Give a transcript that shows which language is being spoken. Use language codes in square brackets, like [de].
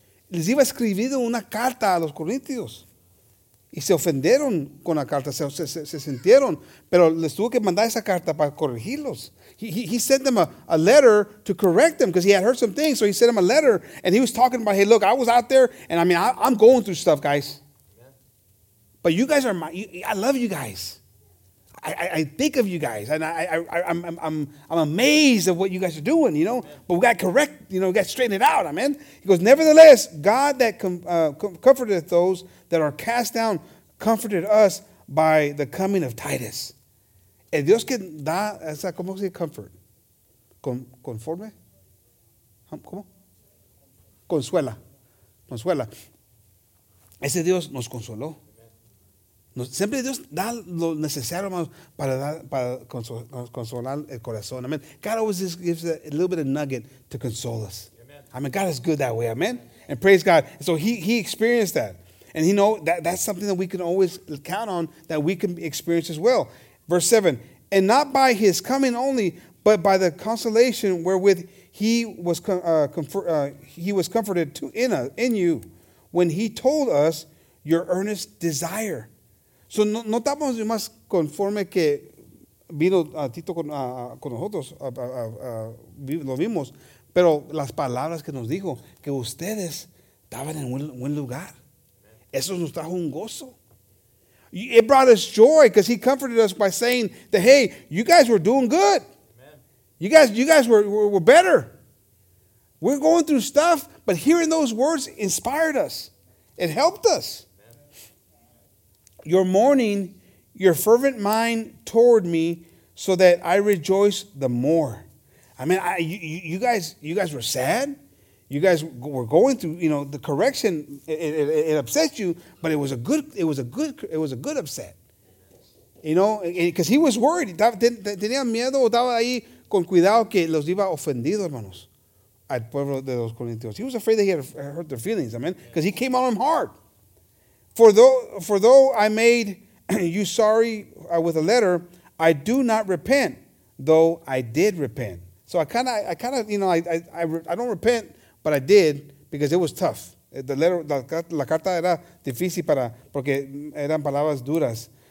[es] Les iba escribiendo una carta a los corintios. Y se ofendieron con la carta, se sintieron. Pero les tuvo que mandar esa carta para corregirlos. [en] He sent them a letter to correct them because he had heard some things. So he sent them a letter, and he was talking about, hey, look, I was out there, and I mean, I'm going through stuff, guys. Yeah. But you guys are I love you guys. I think of you guys, and I'm amazed at what you guys are doing, you know. Yeah. But we got to correct, you know, we got to straighten it out, amen. He goes, nevertheless, God that comforted those that are cast down comforted us by the coming of Titus. [es] El Dios que da, ¿cómo se dice comfort? ¿Conforme? ¿Cómo? Consuela. Consuela. Ese Dios nos consoló. Siempre Dios da lo necesario, hermanos, para consolar el corazón. [en] Amen. God always just gives a little bit of nugget to console us. Amen. I mean, God is good that way. Amen. And praise God. So he experienced that. And he know that that's something that we can always count on, that we can experience as well. Verse 7, and not by his coming only, but by the consolation wherewith he was comforted to in you when he told us your earnest desire. [es] So no estamos más conforme que vino Tito con nosotros, lo vimos, Pero las palabras que nos dijo, que ustedes estaban en un buen lugar. Eso nos trajo un gozo. [en] It brought us joy because he comforted us by saying that, hey, you guys were doing good. Amen. You guys were better. We're going through stuff, but hearing those words inspired us. It helped us. Amen. Your mourning, your fervent mind toward me so that I rejoice the more. I mean, you guys were sad. You guys were going through, you know, the correction. It upset you, but it was a good upset. You know, because he was worried. [es] Tenía miedo, estaba ahí con cuidado que los iba ofendido, hermanos, al pueblo de los Corintios. [en] He was afraid that he had hurt their feelings. Amen. Because he came on them hard. For though I made you sorry with a letter, I do not repent. Though I did repent. So I don't repent. But I did because it was tough. The letter, [es] la carta era difícil para porque eran palabras duras.